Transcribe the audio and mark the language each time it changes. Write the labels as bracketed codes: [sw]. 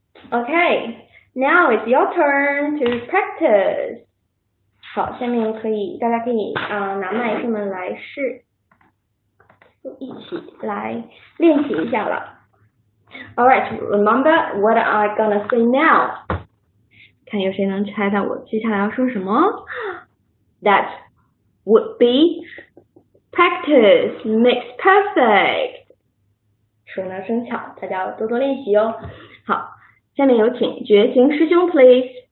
[en] Okay, now it's your turn to practice. [zh] 好，下面可以，大家可以拿麦克们来试，就一起来练习一下了。 [en] All right, remember what I'm gonna say now. [zh] 看有谁能猜到我接下来要说什么。 [en] That would be practice makes perfect. [zh] 熟能生巧，大家要多多练习哦。好，下面有请觉醒师兄 please。